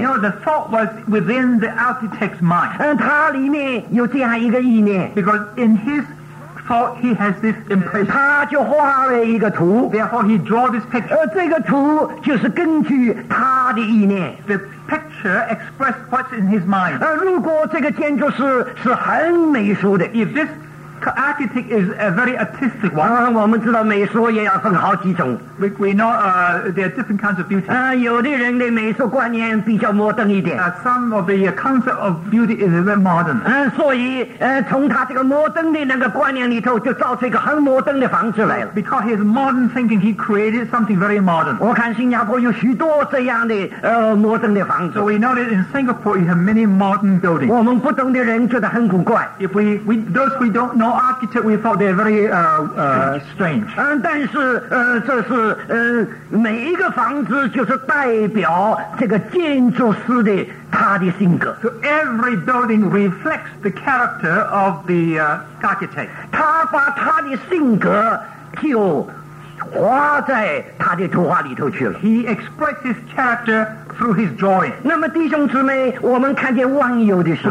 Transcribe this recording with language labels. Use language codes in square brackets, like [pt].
[en] We know the thought was within the architect's mind. [zh] 他里面有这样一个意念。 [en] Because in his thought, he has this impression. [zh] 他就画了一个图。 [en] Therefore, he draw this picture. [zh] 这个图就是根据他的意念。 [en] Picture expressed what's in his mind. [zh] 如果这个建筑师是很美术的, [en] if this architect is a very artistic one, [zh] 我们知道美术也要分好几种, [en] we know there are different kinds of beauty. [zh] 有的人的美术观念比较摩登一点, [en] some of the concept of beauty is very modern. [zh] 所以从他这个摩登的那个观念里头就造出一个很摩登的房子来了。 [en] Because his modern thinking, he created something very modern. [zh] 我看新加坡有许多这样的, 摩登的房子。 [en] So we know that in Singapore you have many modern buildings. [zh] 我们不懂的人觉得很古怪。 [en] If those we don't know architect, we thought they're very strange. [zh] 但是每一个房子就是代表这个建筑师的他的性格. [en] So every building reflects the character of the architect. [zh] 他把他的性格就画在他的图画里头去了. [en] He expressed his character through his drawing. [zh] 那么弟兄姊妹，我们看见万有的时候,